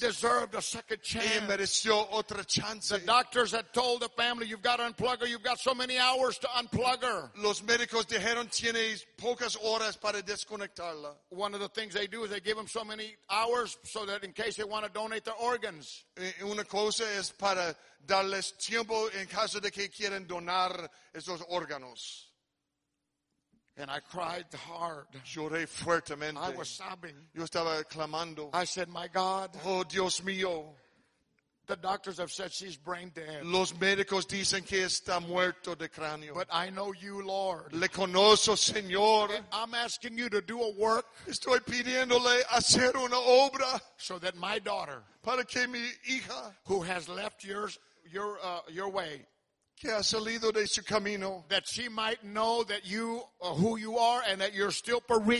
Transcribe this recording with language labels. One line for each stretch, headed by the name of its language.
English: Deserved a second chance.
Spanish: Ella mereció otra chance.
English: The doctors had told the family, you've got to unplug her. You've got so many hours to unplug her.
Spanish: Los médicos dijeron, tienes pocas horas para desconectarla.
English: One of the things they do is they give them so many hours so that in case they want to donate their organs.
Spanish: Una cosa es para darles tiempo en caso de que quieran donar esos órganos.
English: And I cried hard.
Spanish: Lloré fuertemente.
English: I was sobbing.
Spanish: Yo estaba clamando.
English: I said, my God.
Spanish: Oh, Dios mío.
English: The doctors have said she's brain dead.
Spanish: Los médicos dicen que está muerto de cráneo.
English: But I know you, Lord.
Spanish: Le conozco, Señor.
English: And I'm asking you to do a work.
Spanish: Estoy pidiéndole hacer una obra.
English: So that my daughter.
Spanish: Para que mi hija.
English: Who has left your way.
Spanish: Que ha salido de su camino.
English: That she might know that you who you are and that you're still for real.